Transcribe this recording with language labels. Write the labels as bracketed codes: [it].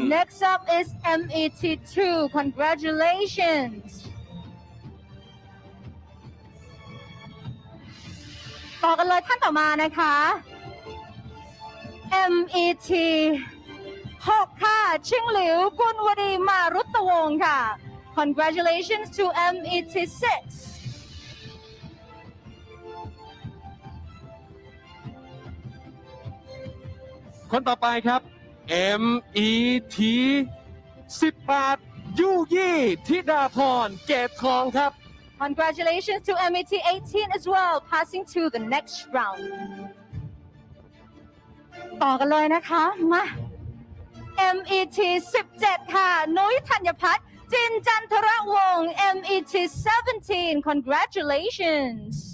[en] Next up is MET 2 Congratulations [th] ต่อกันเลยท่านต่อมานะคะ MET 6ค่ะชิงหลิวกุลวดีมารุตวงค่ะ [en] Congratulations to MET 6 [th] คนต่อไปครับ MET 18ยู่ยี่ธิดาพรเกตทองครับ [en] Congratulations to MET 18 as well, passing to the next round. [th] ต่อกันเลยนะคะมา MET 17ค่ะนุ้ยธัญพัฒน์จินจันทรวงศ์ MET 17 [en] Congratulations